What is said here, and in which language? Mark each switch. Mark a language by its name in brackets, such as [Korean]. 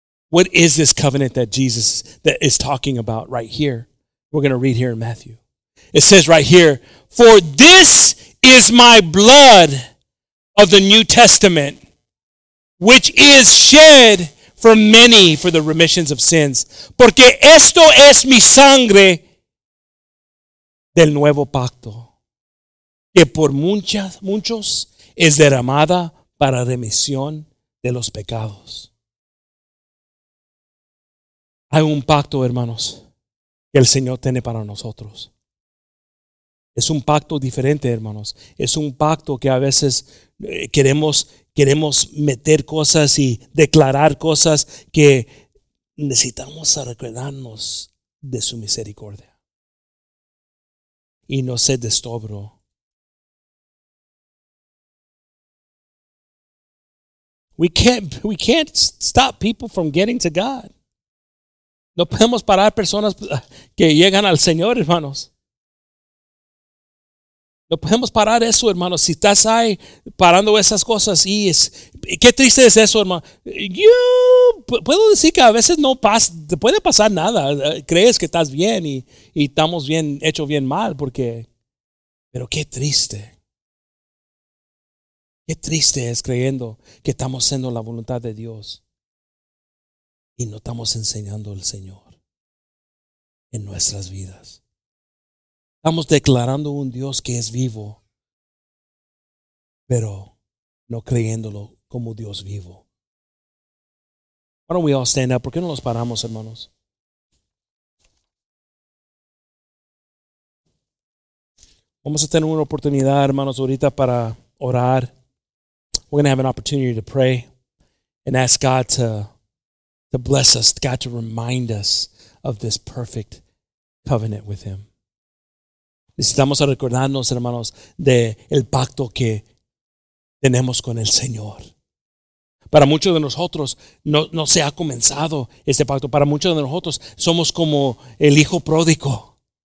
[English] What is this covenant that Jesus that is talking about right here? We're going to read here in Matthew. It says right here, "For this is my blood of the New Testament, which is shed for many for the remissions of sins. [Spanish] Porque esto es mi sangre del nuevo pacto, que por muchos es derramada para remisión de los pecados." Hay un pacto, hermanos, que el Señor tiene para nosotros. Es un pacto diferente, hermanos. Es un pacto que a veces queremos meter cosas y declarar cosas que necesitamos recordarnos de su misericordia. Y no se destobro. [English] We can't stop people from getting to God. [Spanish] No podemos parar personas que llegan al Señor, hermanos. No podemos parar eso, hermanos. Si estás ahí parando esas cosas, y es qué triste es eso, hermano. Yo puedo decir que a veces no pasa, te puede pasar nada. Crees que estás bien y estamos bien, hecho bien mal, porque. Pero qué triste. Qué triste es creyendo que estamos haciendo la voluntad de Dios y no estamos enseñando al Señor en nuestras vidas. Estamos declarando un Dios que es vivo, pero no creyéndolo como Dios vivo. [English] Why don't we all stand up? [Spanish] ¿Por qué no nos paramos, hermanos? Vamos a tener una oportunidad, hermanos, ahorita para orar. [English] We're going to have an opportunity to pray and ask God to bless us, God to remind us of this perfect covenant with Him. [Spanish] Necesitamos recordarnos, hermanos, del pacto que tenemos con el Señor. Para muchos de nosotros no se ha comenzado este pacto. Para muchos de nosotros somos como el hijo pródigo.